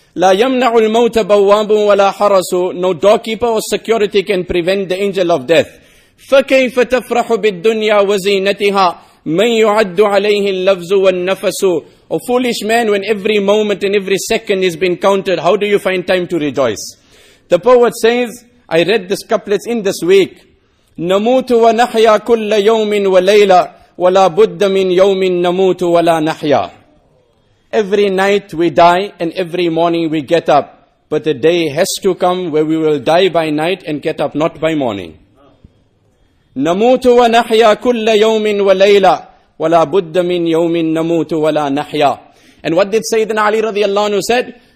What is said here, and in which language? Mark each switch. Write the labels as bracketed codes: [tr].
[ar] لَا يَمْنَعُ الْمَوْتَ بَوَّابٌ وَلَا حَرَسُ. [en] No doorkeeper or security can prevent the angel of death. [ar] فَكَيْفَ تَفْرَحُ بِالدُّنْيَا وَزِينَتِهَا مَنْ يُعَدُّ عَلَيْهِ اللَّفْزُ وَالنَّفَسُ. [en] O foolish man, when every moment and every second has been counted, how do you find time to rejoice? The poet says, I read this couplet in this week, [ar] نَمُوتُ وَنَحْيَا كُلَّ يَوْمٍ وَلَيْلَ وَلَا بُدَّ مِنْ يَوْمٍ نَمُوتُ وَلَا نَحْيَا. [en] Every night we die and every morning we get up. But the day has to come where we will die by night and get up not by morning. [ar] نَمُوتُ وَنَحْيَا كُلَّ يَوْمٍ وَلَيْلَ وَلَا بُدَّ مِنْ يَوْمٍ نَمُوتُ وَلَا نَحْيَا. [en] And what did Sayyidina Ali radiallahu anhu said?